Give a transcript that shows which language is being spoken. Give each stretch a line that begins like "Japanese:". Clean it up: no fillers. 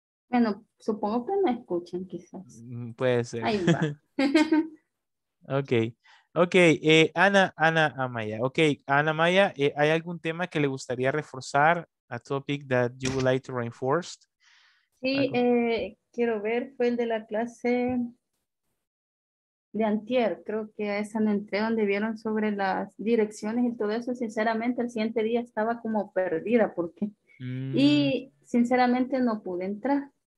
Spanish: Bueno, supongo que me escuchan, quizás. Puede ser. Ahí va. Ok. Ok, Ana Amaya. Ok, Ana Amaya, ¿hay algún tema que le gustaría reforzar?
English: A topic that you would like to reinforce?
Spanish: Sí, quiero ver, fue el de la clase de antier. Creo que a esa entré donde vieron sobre las direcciones y todo eso. Sinceramente, el siguiente día estaba como perdida porque... Y sinceramente no pude entrar.